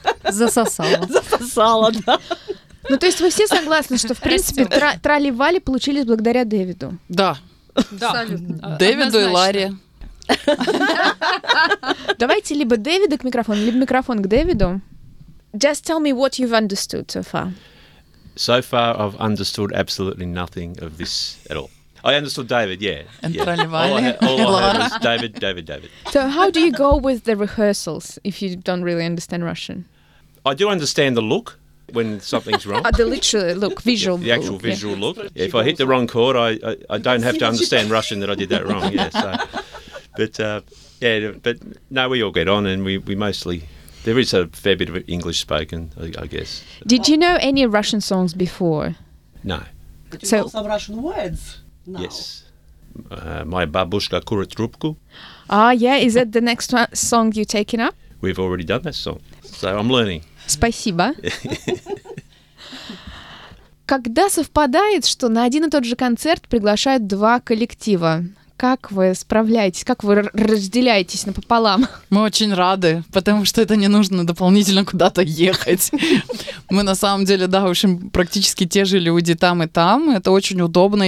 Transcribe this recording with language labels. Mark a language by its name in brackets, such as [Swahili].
[Russian] Засосало. Засосало, да. Ну, то есть вы все согласны, что, в принципе, трали-вали получились благодаря Дэвиду? Да. Абсолютно. Дэвиду и Ларе. Давайте либо Дэвида к микрофону, либо микрофон к Дэвиду. [English] Just tell me what you've understood so far. So far, I've understood absolutely nothing of this at all. I understood David, yeah. All I heard was David. So how do you go with the rehearsals if you don't really understand Russian? I do understand the look when something's wrong. The literal look, visual look. The actual visual look. Yeah, if I hit the wrong chord, I don't have to understand Russian that I did that wrong. Yeah, so. But no, we all get on and we mostly... There is a fair bit of English spoken, I guess. Did you know any Russian songs before? No. Do you know some Russian words now? Yes. My babushka kurit trubku. Yeah. Is that the next song you're taking up? We've already done that song. So I'm learning. [Russian] Спасибо. Когда совпадает, что на один и тот же концерт приглашают два коллектива? Как вы справляетесь? Как вы разделяетесь напополам? Мы очень рады, потому что это не нужно дополнительно куда-то ехать. Мы на самом деле, да, в общем, практически те же люди там и там. Это очень удобно.